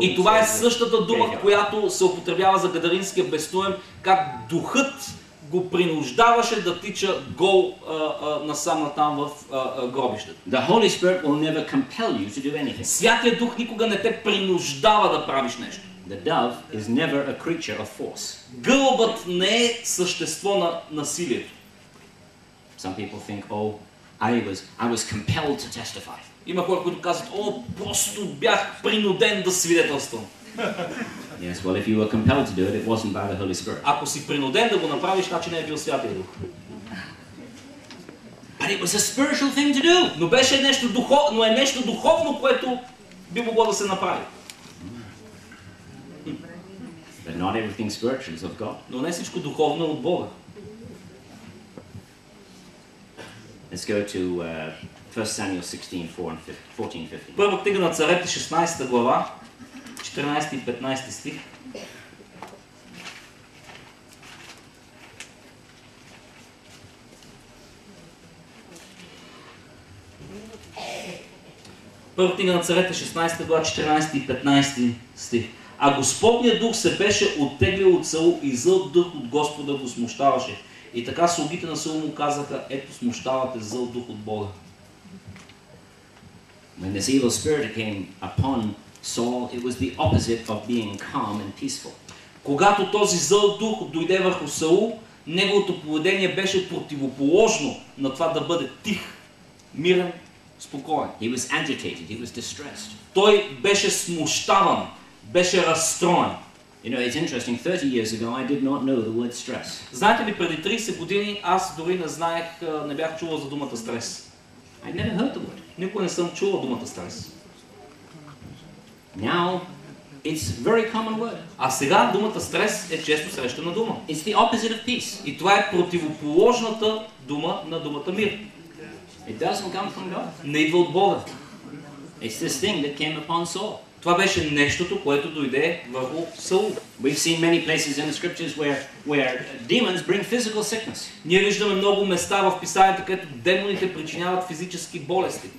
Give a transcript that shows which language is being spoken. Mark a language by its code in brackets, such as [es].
[bg] И това е същата дума, която се употребява за гадаринския бестоем, как духът го принуждаваше да тича гол насам натам в гробището. [en] The Holy Spirit will never compel you to do anything. [bg] Святия Дух никога не те принуждава да правиш нещо. [en] The dove is never a creature of force. [bg] Гълъбът не е същество на насилието. [en] Some people think, I was compelled to testify. [bg] Има хора, които казват, просто бях принуден да свидетелствам. [en] Yes, well, if you were compelled to do it, it wasn't by the Holy Spirit. [bg] Ако си принуден да го направиш, значи не е бил Святия Дух. [en] But it was a spiritual thing to do. [bg] Но беше нещо духовно, но е нещо духовно, което би могло да се направи. [en] But not everything spiritual is of God. [bg] Но не всичко духовно е от Бога. [en] Let's go to 1 Samuel 16:14-15. [bg] Първо книга на Царете, 16 глава. 14 и 15 стих. Първо книга на Царете, 16 глава, 14 и 15 стих. А Господният дух се беше оттеглил от Саул и зъл дух от Господа го смущаваше. И така слугите на Саул му казаха, ето смущавате зъл дух от Бога. [en] When this evil spirit came upon Saul, it was the opposite of being calm and peaceful. [bg] Когато този зъл дух дойде върху Саул, неговото поведение беше противоположно на това да бъде тих, мирен, спокоен. [en] He was agitated, he was distressed. [bg] Той беше смущаван, беше разстроен. [en] You know, it's interesting, 30 years ago I did not know the word stress. [bg] Знаете ли, преди 30 години аз дори не знаех, не бях чувал за думата стрес. [en] I never heard the word. [bg] Никога не съм чувал думата стрес. [en] Now, It's very common word. [bg] А сега думата стрес е често срещана дума. [en] It's the opposite of peace. [bg] И това е противоположната дума на думата мир. [en] It doesn't come from God. [bg] Не идва от Бога. [en] It's this thing that came upon Saul. [bg] Това беше нещото, което дойде върху Саул. [en] We've seen many places in the scriptures where demons bring physical sickness. [bg] Ние виждаме много места в писанията, където демоните причиняват физически болести.